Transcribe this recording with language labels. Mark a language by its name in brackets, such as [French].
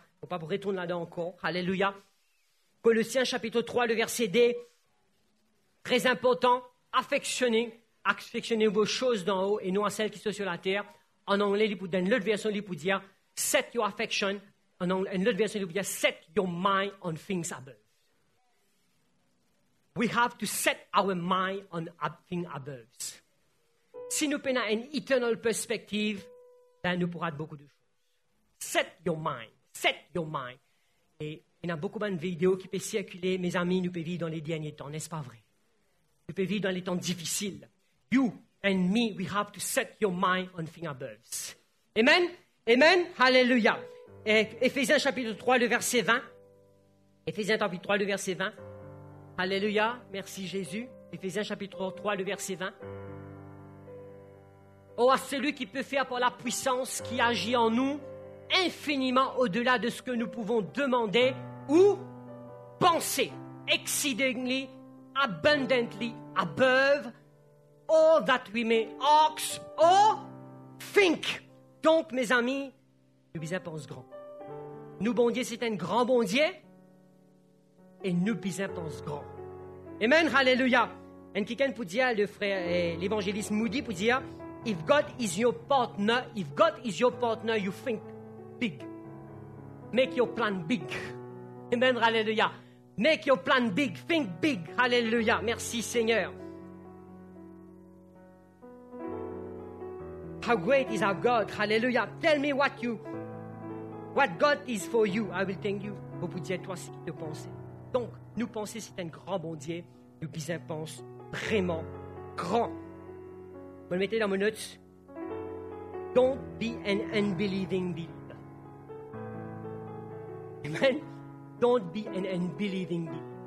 [French] Il ne faut pas vous retourner là-dedans encore, alléluia. Colossiens chapitre 3, le verset dit très important. Affectionnez affectionnez vos choses d'en haut et non à celles qui sont sur la terre. En anglais, il peut dire, dans l'autre version, il peut dire, [English] set your affection. [French] En anglais, dans l'autre version, il peut dire, set your mind on things above. [English] We have to set our mind on things above. [French] Si nous prenons une [English] eternal perspective, [French] ben nous pourrons être beaucoup de choses. [English] Set your mind. Set your mind. [French] Et il y a beaucoup de vidéos qui peuvent circuler. Mes amis, nous pouvons vivre dans les derniers temps, n'est-ce pas vrai? Nous pouvons vivre dans les temps difficiles. [English] You and me, we have to set your mind on things above. Amen? Amen? Hallelujah. [French] Éphésiens chapitre 3, le verset 20. Éphésiens chapitre 3, le verset 20. Hallelujah. Merci Jésus. Éphésiens chapitre 3, le verset 20. Oh, à celui qui peut faire par la puissance qui agit en nous infiniment au-delà de ce que nous pouvons demander ou penser. [English] Exceedingly, abundantly, above all that we may ask or think. [French] Donc, mes amis, nous bisons pense grand. Nous, bon Dieu, c'est un grand bon Dieu et nous bisons pense grand. [English] Amen, hallelujah. [French] Et quelqu'un peut dire, [English] le frère, l'évangéliste Moody peut dire, if God is your partner, if God is your partner, you think big. Make your plan big. Amen, hallelujah. Make your plan big. Think big. Hallelujah. [French] Merci, Seigneur. [English] How great is our God. Hallelujah. Tell me what you, what God is for you. I will tell you. [French] Vous pouvez dire, toi, ce qui te pensez. Donc, nous pensons, c'est un grand bon Dieu. Nous pensons vraiment grand. Vous le mettez dans mes notes. [English] Don't be an unbelieving believer. Amen. Don't be an unbelieving believer.